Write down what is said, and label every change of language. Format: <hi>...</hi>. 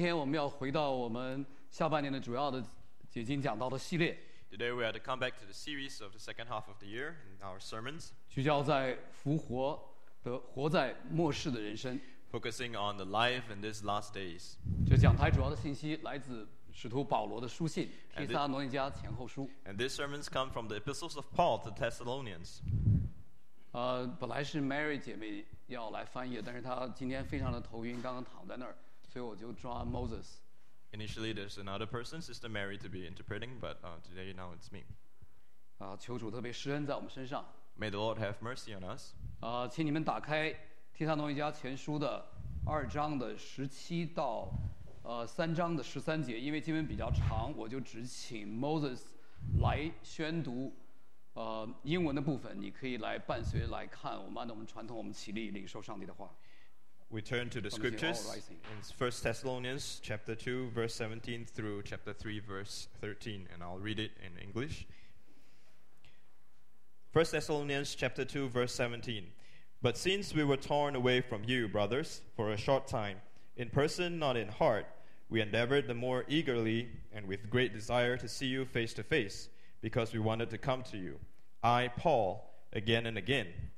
<zh>今天我们要回到我们下半年的主要的已经讲到的系列。</zh> <en>Today we are to come back to the series of the second half of the year in our sermons.</en> <zh>聚焦在复活的活在末世的人生。</zh> <en>Focusing on the life in these last days.</en> <zh>这讲台主要的信息来自使徒保罗的书信《提撒罗尼迦前后书》。</zh> <en>And these sermons come from the epistles of Paul to Thessalonians.</en> <zh>本来是 Mary 姐妹要来翻译，但是她今天非常的头晕，刚刚躺在那儿。所以我就抓 Moses.</zh> <en>Initially, there's another person, Sister Mary, to be interpreting, but today now it's me.</en> <zh>求主特别施恩在我们身上。</zh> <en>May the Lord have mercy on us.</en> <zh>请你们打开《提撒罗尼迦前书》的二章的十七到三章的十三节，因为经文比较长，我就只请 Moses 来宣读英文的部分，你可以来伴随来看。我们按照我们传统，我们起立领受上帝的话。</zh> <en>We turn to the scriptures in 1 Thessalonians chapter 2, verse 17 through chapter 3, verse 13, and I'll read it in English. 1 Thessalonians chapter 2, verse 17. But since we were torn away from you, brothers, for a short time, in person, not in heart, we endeavored the more eagerly and with great desire to see you face to face, because we wanted to come to you, I, Paul, again and again.</en>